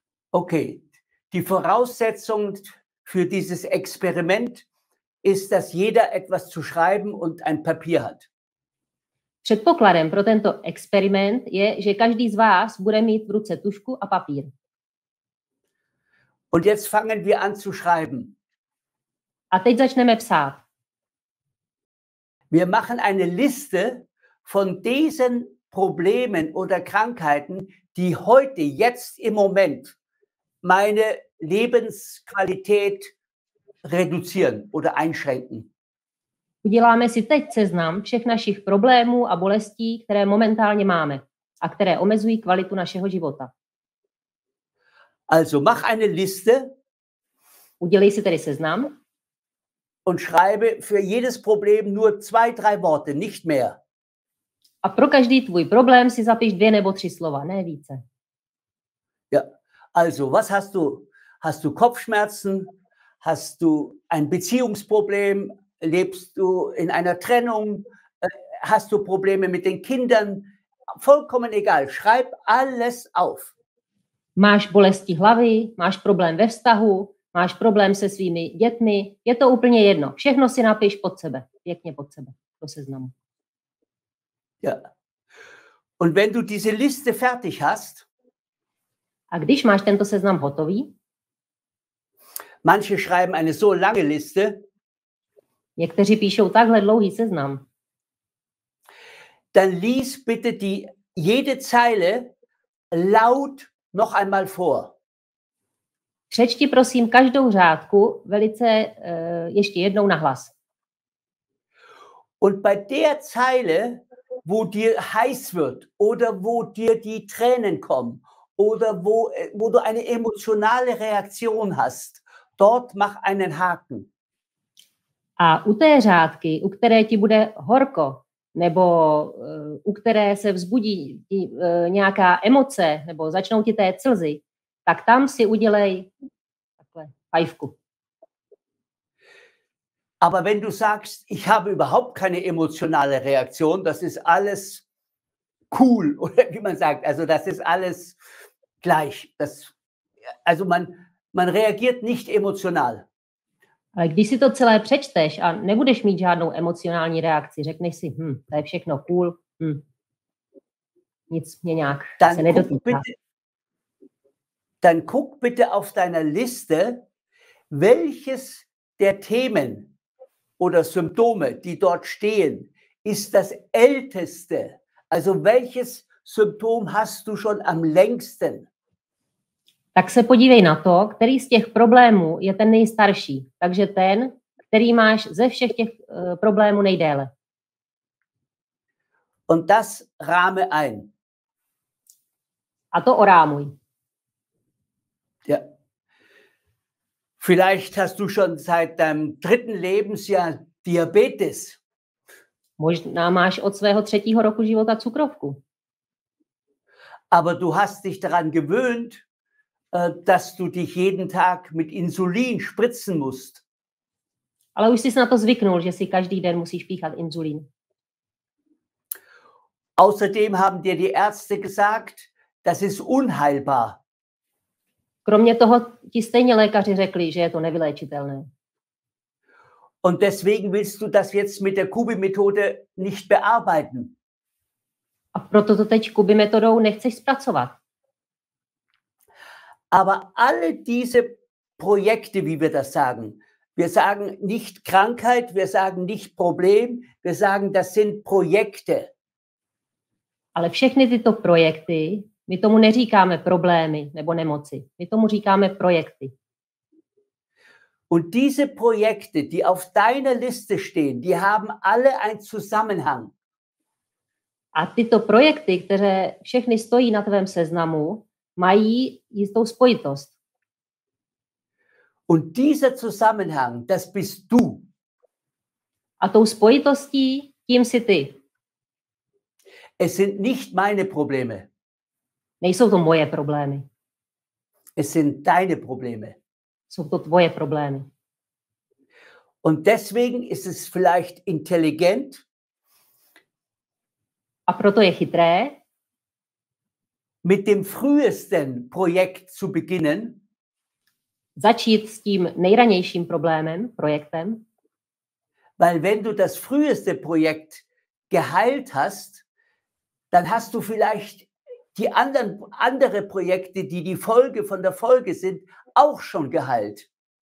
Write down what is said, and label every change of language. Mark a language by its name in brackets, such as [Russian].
[German] Okay, die Voraussetzung für dieses Experiment ist, dass jeder etwas zu schreiben und ein Papier hat. [Czech] Předpokladem pro tento experiment je, že každý z vás bude mít v ruce tušku a papír. [German] Und jetzt fangen wir an zu schreiben. [Czech] A teď začneme psát. [German] Wir machen eine Liste von diesen Problemen oder Krankheiten, die heute, jetzt im Moment meine Lebensqualität reduzieren oder einschränken. [Czech] Uděláme si teď seznam všech našich problémů a bolestí, které momentálně máme a které omezují kvalitu našeho života. [German] Also mach eine Liste. [Czech] Udělej si tedy seznam. [German] Und schreibe für jedes Problem nur 2-3 Worte, nicht mehr. [Czech] A pro každý tvůj problém si zapiš 2 nebo 3 slova, ne více. [German] Ja. Also, was hast du? Hast du Kopfschmerzen? Hast du ein Beziehungsproblem? Lebst du in einer Trennung? Hast du Probleme mit den Kindern? Vollkommen egal, schreib alles auf. [Czech] Máš bolesti hlavy, máš problém ve vztahu, máš problém se svými dětmi, je to úplně jedno. Všechno si napiš pod sebe, pěkně pod sebe, do seznamu. [German] Ja. Und wenn du diese Liste fertig hast, [Czech] a když máš tento seznam hotový? [German] Manche schreiben eine so lange Liste. [Czech] Někteří píšou takhle dlouhý seznam. [German] Dann lies bitte die jede Zeile laut noch einmal vor. [Czech] Přečti prosím každou řádku velice ještě jednou nahlas. [German] Und bei der Zeile, wo dir heiß wird oder wo dir die Tränen kommen, oder wo du eine emotionale Reaktion hast, dort mach einen Haken. [Czech] A u té řádky, u které ti bude horko, nebo u které se vzbudí nějaká emoce, nebo začnou ti té slzy, tak tam si udělej takhle fajfku. [German] Aber wenn du sagst, ich habe überhaupt keine emotionale Reaktion, das ist alles cool, oder wie man sagt, also das ist alles gleich, das, also man reagiert nicht emotional. [Czech] Ale když si to celé přečteš a nebudeš mít žádnou emocionální reakci, řekneš si, to je všechno cool, nic mě nějak [German] dann [Czech] se nedotýká. [German] Dann guck bitte auf deiner Liste, welches der Themen oder Symptome, die dort stehen, ist das älteste, also welches Symptom hast du schon am längsten? [Czech] Tak se podívej na to, který z těch problémů je ten nejstarší. Takže ten, který máš ze všech těch problémů nejdéle. [German] Und das rahme ein. [Czech] A to orámuj. [German] Ja. Vielleicht hast du schon seit deinem dritten Lebensjahr Diabetes. [Czech] Možná máš od svého třetího roku života cukrovku. [German] Aber du hast dich daran gewöhnt, dass du dich jeden Tag mit Insulin spritzen musst. [Czech] Ale už jsi na to zvyknul, že si každý den musíš píchat insulín. [German] Außerdem haben dir die Ärzte gesagt, das ist unheilbar. [Czech] Kromě toho ti stejně lékaři řekli, že je to nevyléčitelné. [German] Und deswegen willst du das jetzt mit der Kubi-Methode nicht bearbeiten. [Czech] A proto to teď Kubi-metodou nechceš zpracovat. [German] Aber alle diese Projekte, wie wir das sagen, wir sagen nicht Krankheit, wir sagen nicht Problem, wir sagen, das sind Projekte. [Czech] Ale všechny tyto projekty, my tomu neříkáme problémy nebo nemoci, my tomu říkáme projekty. [German] Und diese Projekte, die auf deiner Liste stehen, die haben alle einen Zusammenhang. [Czech] A tyto projekty, které všechny stojí na tvém seznamu, mají jistou spojitost. [German] Und dieser Zusammenhang, das bist du. [Czech] A tou spojitostí, tím jsi ty. [German] Es sind nicht meine Probleme. [Czech] Nejsou to moje problémy. [German] Es sind deine Probleme. [Czech] Jsou to tvoje problémy. [German] Und deswegen ist es vielleicht intelligent. [Czech] A proto je chytré. [German] Mit dem frühesten Projekt zu beginnen. [Czech] Začít s tím nejranějším problémem, projektem. [German] Weil wenn du das früheste Projekt geheilt hast, dann hast du vielleicht die andere Projekte, die die Folge von der Folge sind, auch schon geheilt.